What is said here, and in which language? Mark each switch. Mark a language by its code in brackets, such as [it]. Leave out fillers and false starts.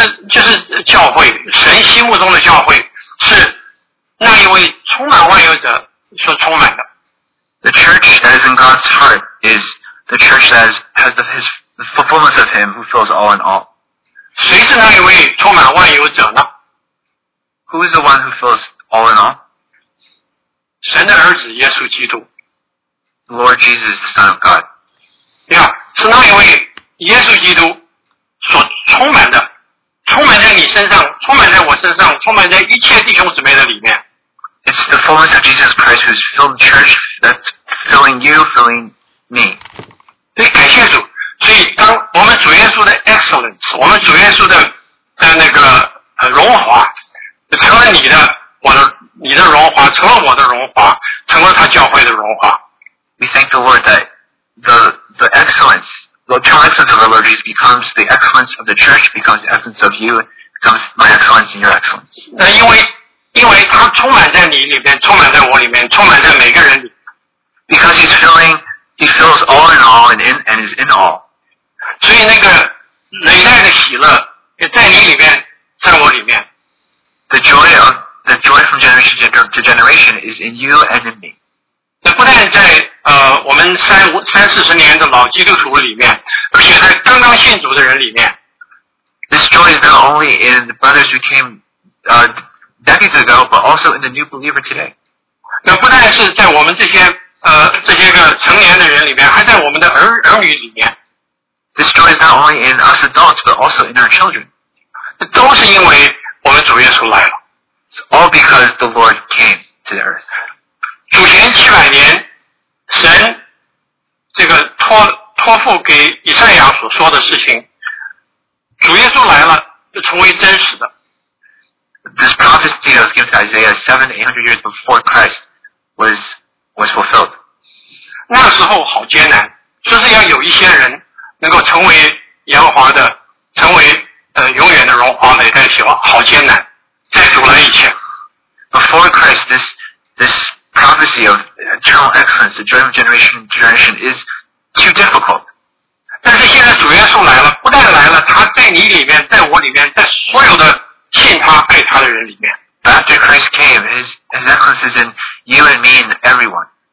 [zh] 就是教会，神心目中的教会是那一位充满万有者所充满的。 [en] The church that is in God's heart is the church that has the fullness of Him who fills all in all。 [zh] 谁是那一位充满万有者呢 [en] ？Who is the one who fills all in all？ [zh] 神的儿子耶稣基督。 [en] Lord Jesus, the Son of God. [zh] Yeah, 是那一位耶稣基督所充满的，充满。身上，充满在一切弟兄姊妹的里面。 [en] It's the fullness of Jesus Christ who's filled the church, that's filling you, filling me. [zh] 对，感谢主。所以当我们主耶稣的 excellence, 我们主耶稣的那个荣华成了你的我的你的荣华成了我的荣华成了他教会的荣华。 [en] We thank the Lord that the excellence, the true essence of our Lord Jesus becomes the excellence of the church, becomes the essence of you, becomes my excellence and your excellence. [zh] 那因为他充满在你里面充满在我里面充满在每个人里。 [en] Because he's filling, he fills all in all and, in, and is in all. [zh] 所以那个累赖的喜乐也在你里面在我里面。 [en] The joy from generation to generation is in you and in me. [zh] 那不但在我们三四十年的老基督徒里面而且在刚刚信主的人里面。 [en] This joy is not only in the brothers who came, decades ago, but also in the new believer today. [zh] 那不但是在我们这些这些个成年的人里面还在我们的儿女里面。 [en] This joy is not only in us adults, but also in our children. [zh] 都是因为我们主耶稣来了。 [en] It's all because the Lord came to the earth. [zh] 主前700年神这个 托付给以赛亚所说的事情主耶稣来了就成为真实的。 [en] This prophecy that was given to Isaiah 700-800 years before Christ was fulfilled. [zh] 那时候好艰难，就是要有一些人能够成为耶和华的，成为永远的荣华美代求，好艰难，在主来以前。 [en] Before Christ, this prophecy of eternal excellence, the joy of generation to generation, is too difficult. [zh] 但是现在主耶稣来了，不但来了，他在你里面，在我里面，在所有的。信他爱他的人里面。 [en] But after Christ came, his excellence is in you and me and everyone.